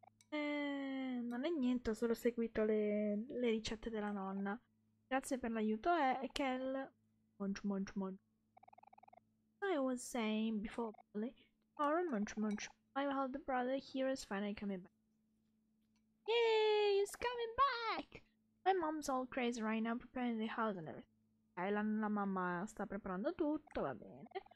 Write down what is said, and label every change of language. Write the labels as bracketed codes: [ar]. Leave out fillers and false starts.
[it] Non è niente, ho solo seguito le ricette della nonna. Grazie per l'aiuto, Kel. Munch, munch, munch. [en] I was saying before, Polly. Tomorrow, munch, munch. My elder brother here is finally coming back. Yay, he's coming back! My mom's all crazy right now, preparing the house and everything. [it] Okay, la mamma sta preparando tutto, va bene.